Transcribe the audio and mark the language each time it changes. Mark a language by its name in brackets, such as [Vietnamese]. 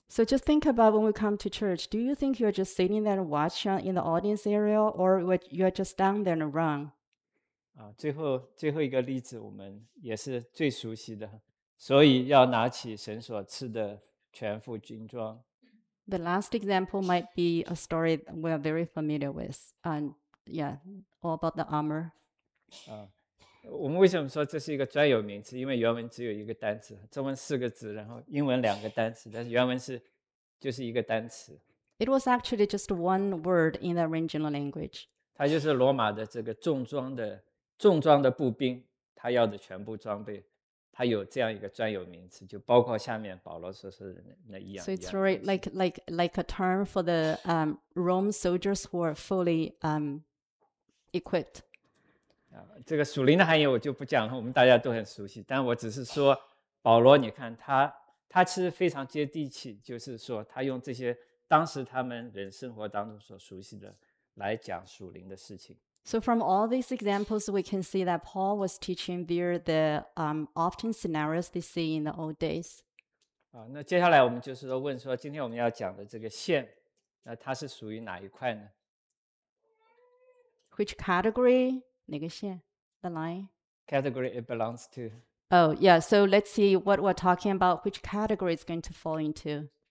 [English] So just think about when we come to church, do you think you're just sitting there and watching in the audience area, or you're just down there and run? [Chinese] 最后一个例子，我们也是最熟悉的，所以要拿起神所赐的全副军装。 [English] The last example might be a story we are very familiar with, and yeah, all about the armor. [Chinese] 我们为什么说这是一个专有名词？因为原文只有一个单词，中文四个字，然后英文两个单词，但是原文是就是一个单词。 [English] It was actually just one word in the original language. [Chinese] 它就是罗马的这个重装的步兵，他要的全部装备，他有这样一个专有名词，就包括下面保罗说是那一样。 [English] So it's really like a term for the Rome soldiers who are fully equipped. [Chinese] 这个属灵的含义我就不讲了，我们大家都很熟悉。但我只是说，保罗，你看他其实非常接地气，就是说他用这些当时他们人生活当中所熟悉的来讲属灵的事情。 [English] So from all these examples, we can see that Paul was teaching via the often scenarios they see in the old days. [Chinese] 那接下来我们就是说问说，今天我们要讲的这个线，那它是属于哪一块呢？ [English] Which category? [Chinese] 哪个线？ [English] The line? Category it belongs to. Oh, yeah. So let's see what we're talking about. Which category is going to fall into?